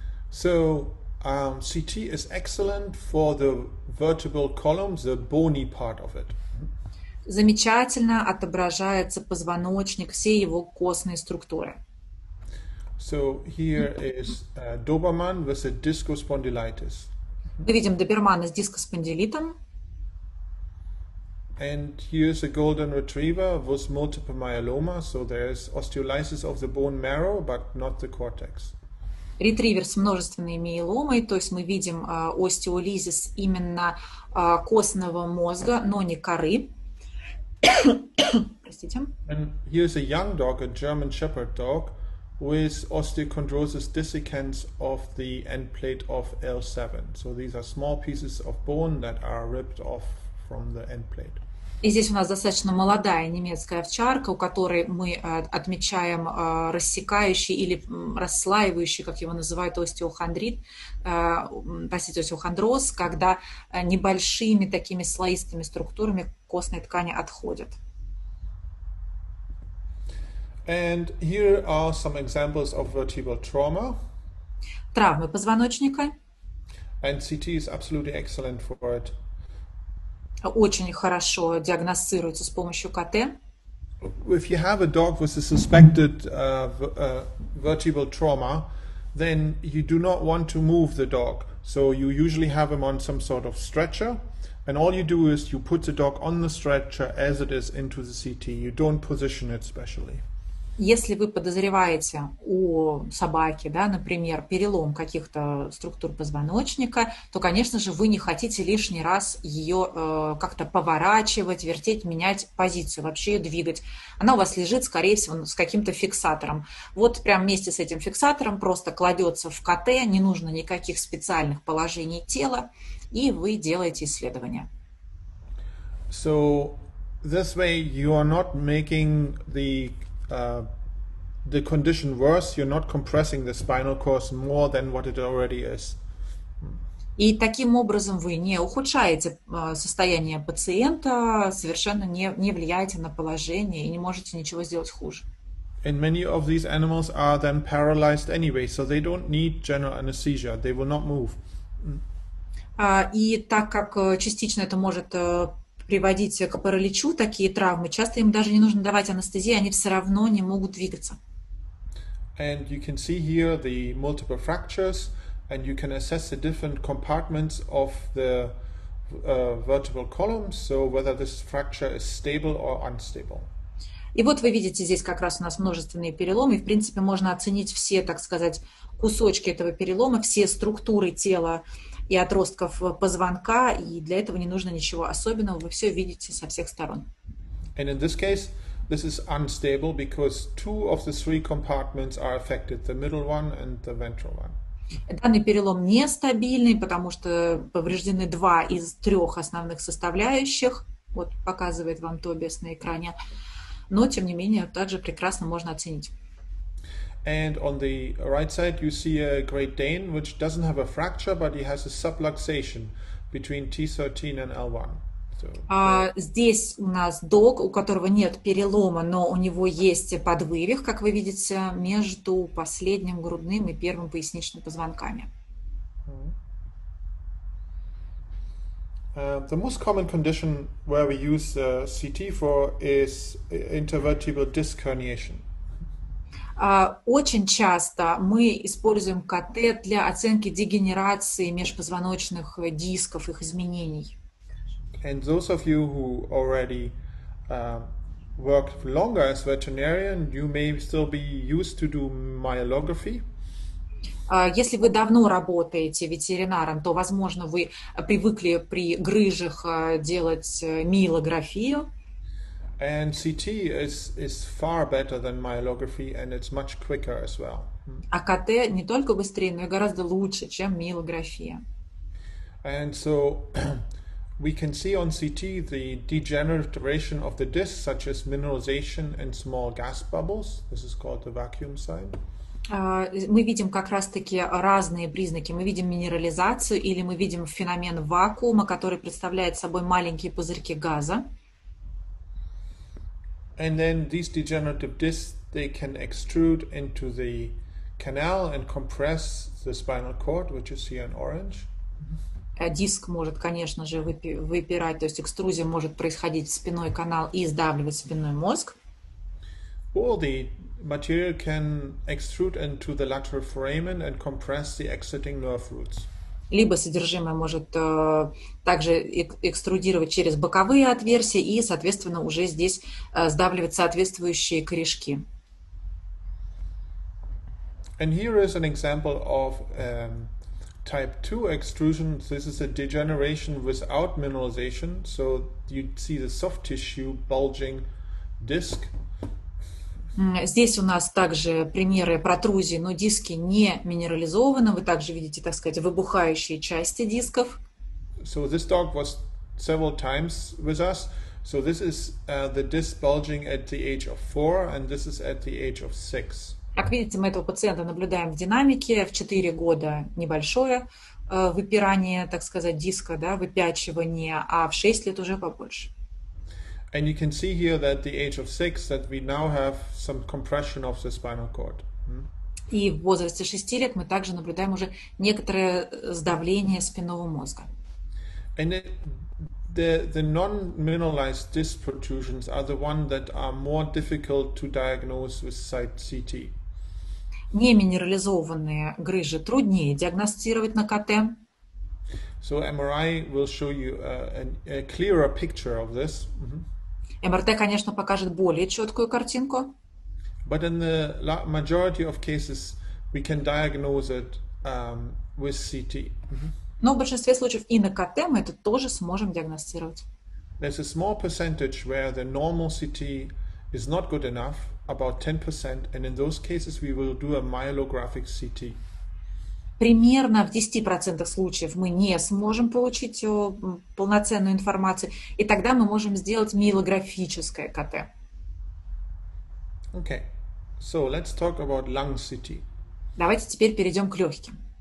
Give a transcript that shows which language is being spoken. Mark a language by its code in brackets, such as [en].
[en] So, CT is excellent for the vertebral column, the bony part of it. [ru] Замечательно отображается позвоночник, все его костные структуры. [en] So here is a Doberman with a discus spondylitis. [ru] Мы видим добермана с дискоспондилитом. [en] And here is a golden retriever with multiple myeloma, so there is osteolysis of the bone marrow, but not the cortex. [ru] Ретривер с множественной миеломой, то есть мы видим остеолизис именно костного мозга, но не коры. Простите. [en] And here is a young dog, a German Shepherd dog, with osteochondrosis dissecans of the end plate of L7. So these are small pieces of bone that are ripped off from the end plate. [ru] И здесь у нас достаточно молодая немецкая овчарка, у которой мы отмечаем рассекающий или расслаивающий, как его называют, остеохондроз, когда небольшими такими слоистыми структурами костной ткани отходят. [en] And here are some examples of vertebral trauma. [ru] Травмы позвоночника. [en] And CT is absolutely excellent for it. [ru] Очень хорошо диагностируется с помощью КТ. [en] If you have a dog with a suspected vertebral trauma, then you do not want to move the dog. So you usually have him on some sort of stretcher, and all you do is you put the dog on the stretcher as it is into the CT. You don't position it specially. [ru] Если вы подозреваете у собаки, да, например, перелом каких-то структур позвоночника, то, конечно же, вы не хотите лишний раз ее как-то поворачивать, вертеть, менять позицию, вообще ее двигать. Она у вас лежит, скорее всего, с каким-то фиксатором. Вот прям вместе с этим фиксатором просто кладется в КТ, не нужно никаких специальных положений тела, и вы делаете исследование. [en] So, this way you are not making the the condition worse, you're not compressing the spinal cord more than what it already is. [ru] И таким образом вы не ухудшаете состояние пациента, совершенно не влияете на положение и не можете ничего сделать хуже. [en] And many of these animals are then paralyzed anyway, so they don't need general anesthesia. They will not move. [ru] И так как частично это может приводить к параличу, такие травмы, часто им даже не нужно давать анестезию, они все равно не могут двигаться. [en] And you can see here the multiple fractures. And you can assess the different compartments of the vertebral columns, so whether this fracture is stable or unstable. [ru] И вот вы видите, здесь как раз у нас множественные переломы. В принципе, можно оценить все, так сказать, кусочки этого перелома, все структуры тела и отростков позвонка, и для этого не нужно ничего особенного. Вы все видите со всех сторон. [en] And in this case, this is unstable because two of the three compartments are affected, the middle one and the ventral one. [ru] Данный перелом нестабильный, потому что повреждены два из трех основных составляющих. Вот показывает вам Тобиас на экране. Но, тем не менее, также прекрасно можно оценить. [en] And on the right side you see a Great Dane, which doesn't have a fracture, but he has a subluxation between T13 and L1. [ru] Здесь у нас дог, у которого нет перелома, но у него есть подвывих, как вы видите, между последним грудным и первым поясничным позвонками. [en] The most common condition where we use CT for is intervertebral disc herniation. [ru] Очень часто мы используем КТ для оценки дегенерации межпозвоночных дисков, их изменений. [en] And those of you who already worked longer as veterinarian, you may still be used to do myelography. [ru] Если вы давно работаете ветеринаром, то, возможно, вы привыкли при грыжах делать миелографию. [en] And CT is far better than myelography, and it's much quicker as well. [ru] А КТ не только быстрее, но и гораздо лучше, чем миелография. [en] And so we can see on CT the degeneration of the disc, such as mineralization and small gas bubbles. This is called the vacuum sign. [ru] Мы видим как раз-таки разные признаки. Мы видим минерализацию или мы видим феномен вакуума, который представляет собой маленькие пузырьки газа. [en] And then these degenerative discs, they can extrude into the canal and compress the spinal cord, which you see in orange. [ru] Диск может, конечно же, выпирать, то есть экструзия может происходить в спинной канал и сдавливать спинной мозг. [en] Or the material can extrude into the lateral foramen and compress the exiting nerve roots. [ru] Либо содержимое может также экструдировать через боковые отверстия и, соответственно, уже здесь сдавливать соответствующие корешки. [en] And here is an example of Type 2 extrusion, this is a degeneration without mineralization, so you see the soft tissue bulging disc. [ru] Здесь у нас также примеры протрузии, но диски не минерализованы, вы также видите, так сказать, выбухающие части дисков. [en] So this dog was several times with us, so this is the disc bulging at the age of 4 and this is at the age of 6. [ru] Как видите, мы этого пациента наблюдаем в динамике, в 4 года небольшое выпирание, так сказать, диска, да, выпячивание, а в 6 лет уже побольше. [en] And you can see here that the age of 6 that we now have some compression of the spinal cord. [ru] И в возрасте 6 лет мы также наблюдаем уже некоторое сдавливание спинного мозга. [en] And the non-mineralized disc protrusions are the one that are more difficult to diagnose with site CT. [ru] Неминерализованные грыжи труднее диагностировать на КТ. [en] So MRI will show you a clearer picture of this. Mm-hmm. [ru] МРТ, конечно, покажет более четкую картинку. [en] But in the majority of cases we can diagnose it with CT. Mm-hmm. [ru] Но в большинстве случаев и на КТ мы это тоже сможем диагностировать. [en] There's a small percentage where the normal CT is not good enough, about 10%, and in those cases we will do a myelographic CT. [ru] Примерно в 10% случаев мы не сможем получить полноценную информацию, и тогда мы можем сделать миелографическое КТ. [en] Okay. So let's talk about lung city. [ru] Давайте теперь перейдем к легким.